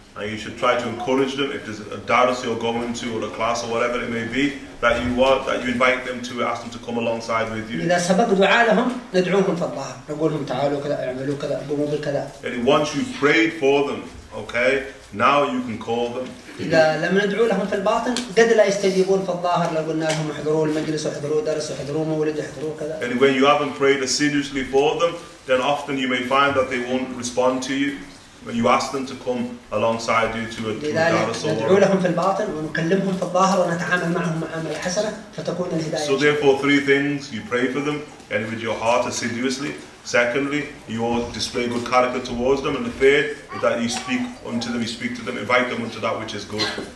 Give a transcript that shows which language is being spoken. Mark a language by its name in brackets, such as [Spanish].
[English] And you should try to encourage them. If there's a daras you're going to or a class or whatever it may be, that you want, that you invite them to, ask them to come alongside with you. And once you've prayed for them, okay, now you can call them. [Arabic] إذا لم ندعو لهم في الباطن قد لا يستجيبون في الظاهر لو قلنا لهم احضروا المجلس وحضروا درس وحضروا مولد وحضروا كذا. [English] And when you haven't prayed assiduously for them, then often you may find that they won't respond to you when you ask them to come alongside you to a [Arabic] درس. ندعو لهم في الباطن ونكلمهم في الظاهر ونتعامل معهم معاملة حسنة فتكون الهداية. [English] So therefore, three things: you pray for them and with your heart assiduously. Secondly, you all display good character towards them, and the third is that you speak unto them, you speak to them, invite them unto that which is good.